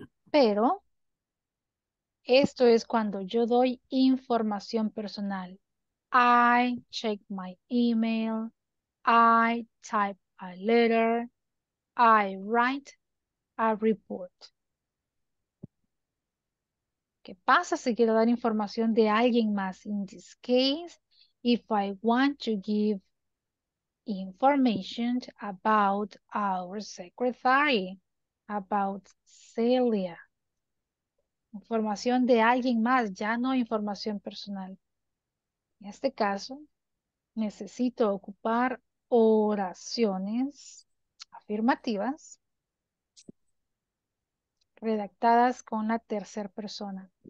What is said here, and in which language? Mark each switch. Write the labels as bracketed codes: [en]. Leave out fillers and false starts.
[es] Pero, esto es cuando yo doy información personal. [en] I check my email. I type a letter. I write a report. [es] ¿Qué pasa si quiero dar información de alguien más? [en] In this case, if I want to give information about our secretary, about Celia. [es] Información de alguien más, ya no información personal. En este caso, necesito ocupar oraciones afirmativas redactadas con la tercera persona.